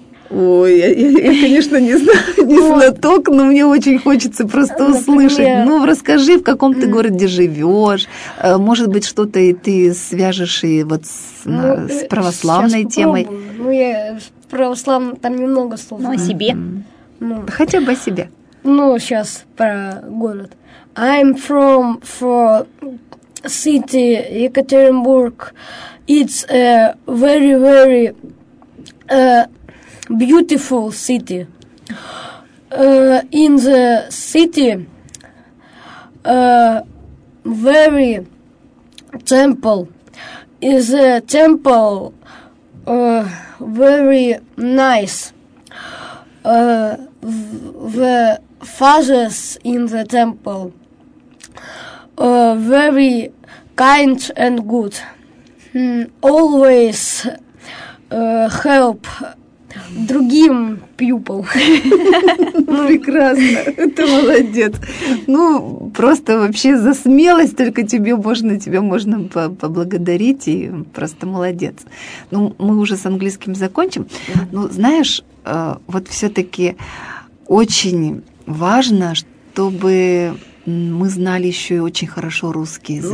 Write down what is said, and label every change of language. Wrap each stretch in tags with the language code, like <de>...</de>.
<ru>Ой, я конечно, не знаю, не знаток, но мне очень хочется просто услышать. Ну, расскажи, в каком ты городе живешь. Может быть, что-то и ты свяжешь и вот с православной темой. Ну, я православно там немного слов. Ну, о себе. Ну, хотя бы о себе. Ну, сейчас про город.</ru> <en>I'm from city Екатеринбург. It's a very, very beautiful city. In the city very temple. Is a temple very nice. The fathers in the temple very kind and good. Always help</en> <ru>другим</ru> <en>people.</en> <ru>Ну, прекрасно, ты молодец. Ну, просто вообще за смелость только тебе можно, поблагодарить, и просто молодец. Ну, мы уже с английским закончим. Ну, знаешь, вот все-таки очень важно, чтобы мы знали еще и очень хорошо русский язык,</ru>